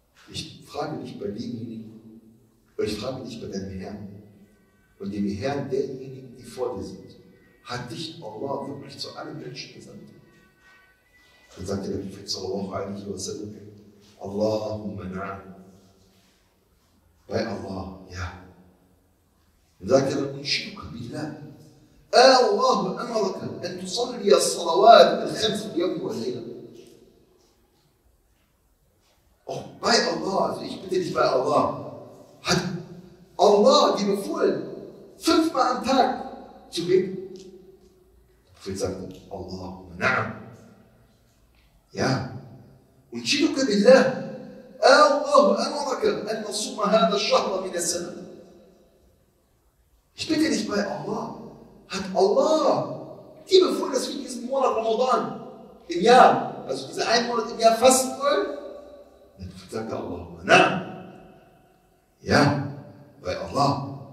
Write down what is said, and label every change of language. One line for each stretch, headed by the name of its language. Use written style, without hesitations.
German: Ich frage dich bei demjenigen, ich frage dich bei deinem Herrn und dem Herrn derjenigen, die vor dir sind. Hat dich Allah wirklich zu allen Menschen gesandt? Dann sagte der Prophet sallallahu alaihi wa sallam,
Arabic: Allahumma na'am.
German: Bei Allah, ja. Dann sagte er,
Arabic: unshiduka billah. الله أمرك أن تصلي الصلوات الخمس اليوم والليلة.
German: Oh, bei Allah, also ich bitte dich bei Allah, hat Allah dir befohlen, fünfmal am Tag zu beten? Der Prophet sagte,
Arabic: Allahumma na'am.
German: Ja.
Arabic: Und schiduke billah, الله أمرك أن تصوم هذا الشهر من السنة.
German: Ich bitte dich bei Allah, hat Allah dir befohlen, dass wir in diesem Monat Ramadan im Jahr, also diese einen Monat im Jahr fasten wollen? Dann sagt Allah, na, ja, bei Allah.